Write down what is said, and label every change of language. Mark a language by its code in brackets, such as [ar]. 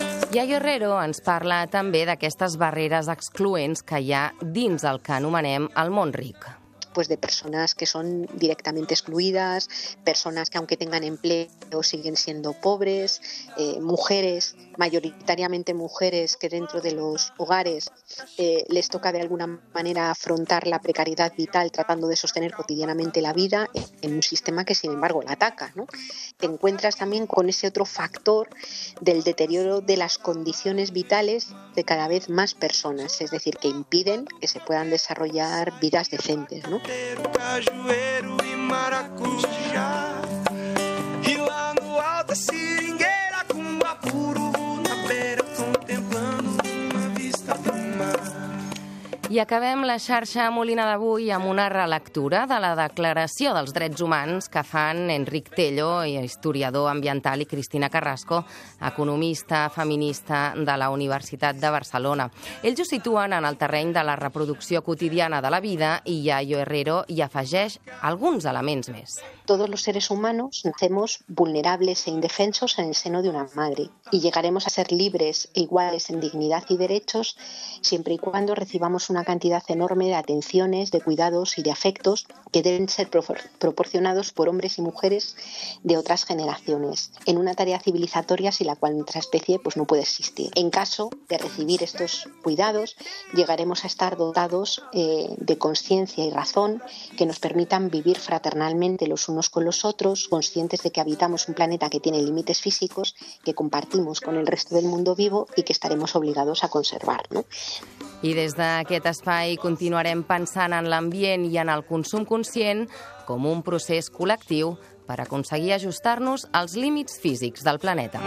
[ca] Yayo Herrero ens parla també d'aquestes barreres excloents que hi ha dins el que anomenem el món ric. [es] Pues de personas que son directamente excluidas, personas que aunque tengan empleo siguen siendo pobres, mujeres, mayoritariamente mujeres que dentro de los hogares les toca de alguna manera afrontar la precariedad vital tratando de sostener cotidianamente la vida en un sistema que sin embargo la ataca, ¿no? Te encuentras también con ese otro factor del deterioro de las condiciones vitales de cada vez más personas, es decir, que impiden que se puedan desarrollar vidas decentes, ¿no? [pt] Cajueiro e maracujá, e lá no alto a seringueira com bapuru na beira contemplando uma vista do mar. [ca] I acabem la xarxa Molina d'avui amb una relectura de la Declaració dels Drets Humans que fan Enric Tello, historiador ambiental, i Cristina Carrasco, economista feminista de la Universitat de Barcelona. Ells ho situen en el terreny de la reproducció quotidiana de la vida i Yayo Herrero hi afegeix alguns elements més. [es] todos los seres humanos nacemos vulnerables e indefensos en el seno de una madre y llegaremos a ser libres e iguales en dignidad y derechos siempre y cuando recibamos una cantidad enorme de atenciones, de cuidados y de afectos que deben ser proporcionados por hombres y mujeres de otras generaciones en una tarea civilizatoria sin la cual nuestra especie pues no puede existir. En caso de recibir estos cuidados, llegaremos a estar dotados de conciencia y razón que nos permitan vivir fraternalmente los unos con los otros, conscientes de que habitamos un planeta que tiene límites físicos, que compartimos con el resto del mundo vivo y que estaremos obligados a conservar, ¿no? [ca] I des d'aquest espai continuarem pensant en l'ambient i en el consum conscient com un procés col·lectiu per aconseguir ajustar-nos als límits físics del planeta.